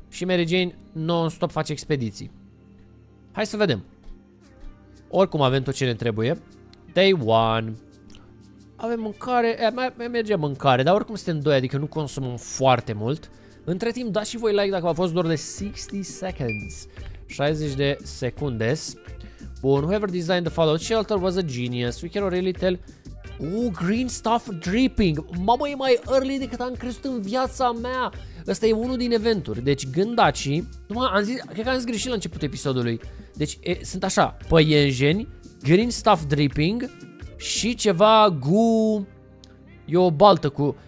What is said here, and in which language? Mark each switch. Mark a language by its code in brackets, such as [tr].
[ro] Și Mary Jane non-stop face expediții. Hai să vedem. Oricum avem tot ce ne trebuie. Day 1. Avem mâncare, mai merge mâncare. Dar oricum suntem doi, adică nu consumăm foarte mult. Între timp dați și voi like dacă v-a fost doar de 60 seconds. 60 de secunde. Bun, [en] whoever designed the Fallout shelter was a genius. We cannot really tell Green Stuff Dripping. [ro] Mamă, e mai early decât am crezut în viața mea. Ăsta e unul din eventuri. Deci gândacii, cred că am zis greșit la începutul episodului. Deci sunt așa, păienjeni, Green Stuff Dripping și ceva goo. E o baltă cu...